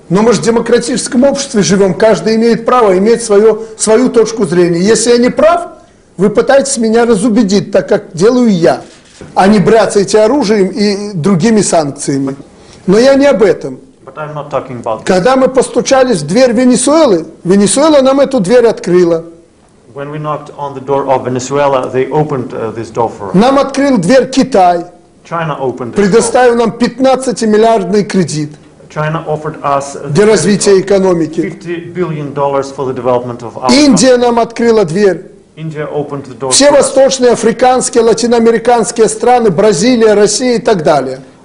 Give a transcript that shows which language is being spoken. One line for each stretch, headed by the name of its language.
Russian: Но мы же в демократическом обществе живем. Каждый имеет право иметь свою точку зрения. Если я не прав, вы пытаетесь меня разубедить, так как делаю я, а не бряцайте оружием и другими санкциями. Но я не об этом.
English: I'm not talking about this.
Russian: Когда мы постучались в дверь Венесуэлы, Венесуэла нам эту дверь открыла.
English: When we knocked on the door of Venezuela, they opened this door for us.
Russian: Нам открыл дверь Китай.
English: China opened this
Russian: предоставил нам 15-миллиардный кредит.
English: China offered us
Russian: для развития экономики.
English: $50 billion for the development of our.
Russian: Индия нам открыла дверь.
English: India opened the door.
Russian: Все восточные, африканские, латиноамериканские страны, Бразилия, Россия и так далее.